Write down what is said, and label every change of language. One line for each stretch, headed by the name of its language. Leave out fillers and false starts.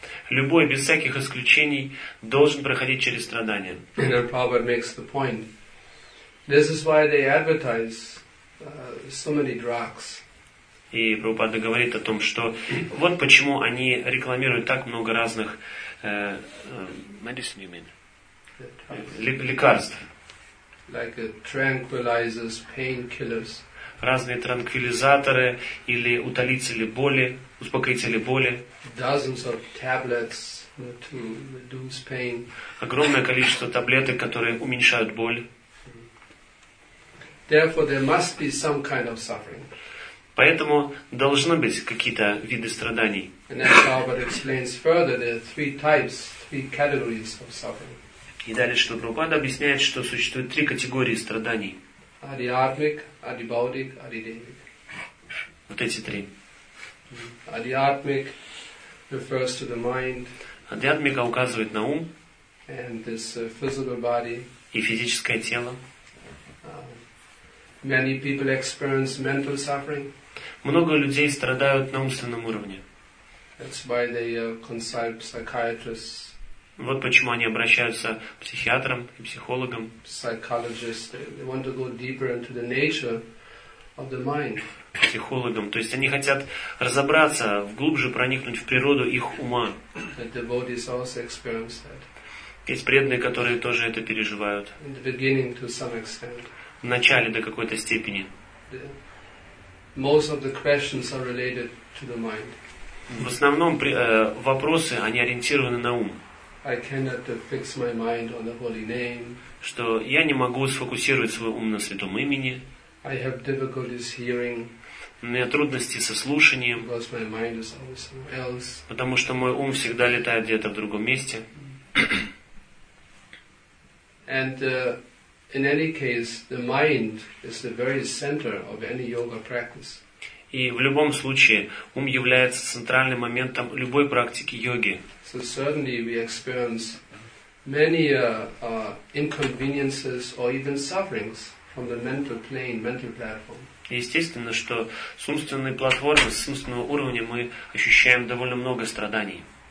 Russian: Любой, без всяких исключений, должен проходить через страдания. И
English: Шрила Прабхупада makes the point. This is why they advertise so many drugs.
Russian: И Прабхупада говорит о том, что вот почему они рекламируют так много разных
English: medicine, you mean?
Russian: Лекарств.
English: Like tranquilizers, painkillers.
Russian: Разные транквилизаторы или утолители боли, успокоители боли.
English: Dozens of tablets to reduce pain.
Russian: Огромное количество таблеток, которые уменьшают боль.
English: Therefore, there must be some kind of suffering.
Russian: Поэтому должны быть какие-то виды страданий.
English: And then Prabhupada explains further, there are three types, three categories of suffering.
Russian: И далее Шрила Прабхупада объясняет, что существует три категории страданий. Адиатмик, Адибаудик, Адидевик. Вот эти три.
English: Адиатмик refers to the mind.
Russian: Адиатмика указывает на ум.
English: And this physical body.
Russian: И физическое тело.
English: Many people experience mental suffering.
Russian: Много людей страдают на умственном уровне.
English: That's why they consult psychiatrists.
Russian: Вот почему они обращаются к психиатрам и психологам.
English: Psychologists, they want to go deeper into the nature of the mind.
Russian: Психологам, то есть они хотят разобраться, вглубже проникнуть в природу их ума.
English: That the devotees also experience that.
Russian: Есть преданные, которые тоже это переживают.
English: In the beginning, to some extent.
Russian: В начале до какой-то степени.
English: Most of the questions are related to the mind.
Russian: В основном вопросы они ориентированы на ум.
English: I cannot fix my mind on the holy name.
Russian: Что я не могу сфокусировать свой ум на святом имени.
English: I have difficulties hearing.
Russian: У меня трудности со слушанием.
English: Because my mind is always somewhere else.
Russian: Потому что мой ум всегда летает где-то в другом месте.
English: And in any case, the mind is the very center of any yoga practice.
Russian: И в любом случае, ум является центральным моментом любой практики йоги.
English: So certainly we experience many inconveniences or even sufferings from the mental plane, mental platform.
Russian: Естественно, что с умственной платформы, с умственного уровня мы ощущаем довольно много страданий.